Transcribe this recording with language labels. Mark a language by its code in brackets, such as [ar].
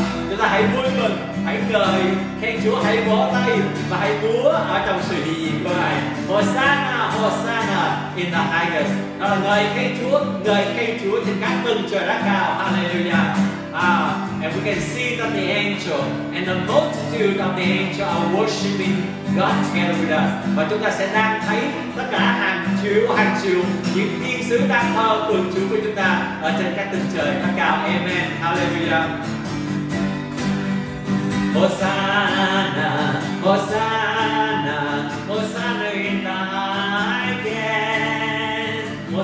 [vi] Chúng ta hãy vui mừng, hãy cười, khen Chúa, hãy vỗ tay và hãy búa ở trong sự hiện diện của Ngài. [en] Hosanna, Hosanna in the highest. [vi] Đó là ngợi khen Chúa trên các tầng trời đã cao. [en] Hallelujah. And we can see that the angel and the multitude of the angel are worshiping God together with us. [vi] Và chúng ta sẽ đang thấy tất cả hàng triệu những thiên sứ đang thờ phượng Chúa của chúng ta ở trên các tầng trời đã cao. [en] Amen. Hallelujah. Hosanna, Hosanna, Hosanna in the highest.